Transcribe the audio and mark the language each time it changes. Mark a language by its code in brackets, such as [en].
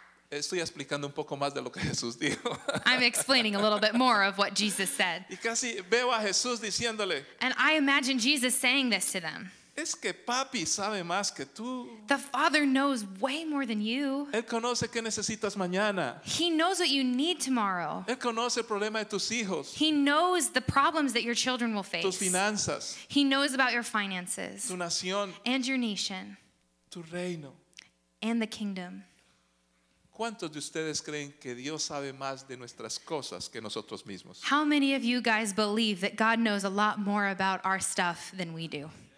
[es] Estoy explicando un poco más de lo que Jesús dijo. [en] I'm explaining a little bit more of what Jesus said. [es] Y casi veo a Jesús diciéndole. [en] And I imagine Jesus saying this to them. [es] Es que papi sabe más que tú. [en] The Father knows way more than you. [es] Él conoce qué necesitas mañana. [en] He knows what you need tomorrow. [es] Él conoce el problema de tus hijos. [en] He knows the problems that your children will face. [es] Tus finanzas. [en] He knows about your finances. [es] Tu nación. [en] And your nation. [es] Tu reino. [en] And the kingdom. [es] ¿Cuántos de ustedes creen que Dios sabe más de nuestras cosas que nosotros mismos? [en] How many of you guys believe that God knows a lot more about our stuff than we do?